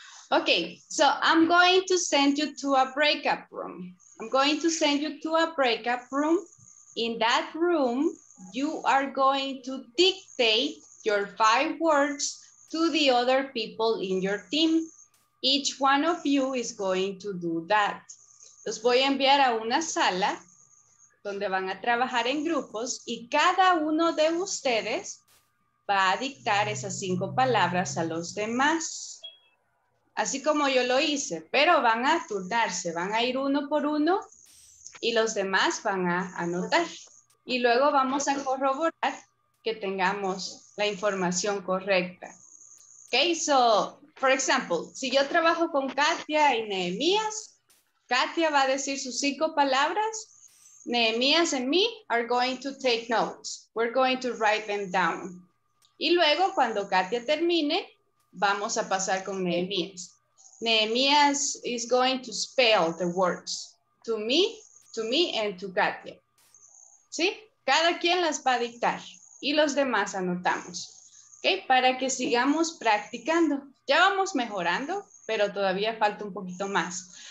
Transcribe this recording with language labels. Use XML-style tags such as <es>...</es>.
<en>Okay, so I'm going to send you to a breakup room. I'm going to send you to a breakup room. In that room, you are going to dictate your five words to the other people in your team. Each one of you is going to do that.</en> <es>Los voy a enviar a una sala donde van a trabajar en grupos y cada uno de ustedes va a dictar esas cinco palabras a los demás. Así como yo lo hice, pero van a turnarse, van a ir uno por uno y los demás van a anotar. Y luego vamos a corroborar que tengamos la información correcta.</es> <en>Okay, so, for example,</en> <es>si yo trabajo con Katia y Nehemías, Katia va a decir sus cinco palabras.</es> <en>Nehemías and me are going to take notes. We're going to write them down.</en> <es>Y luego, cuando Katia termine, vamos a pasar con Nehemías.</es> <en>Nehemías is going to spell the words to me and to Katia.</en> <es>¿Sí? Cada quien las va a dictar y los demás anotamos. ¿Okay? Para que sigamos practicando. Ya vamos mejorando, pero todavía falta un poquito más.</es>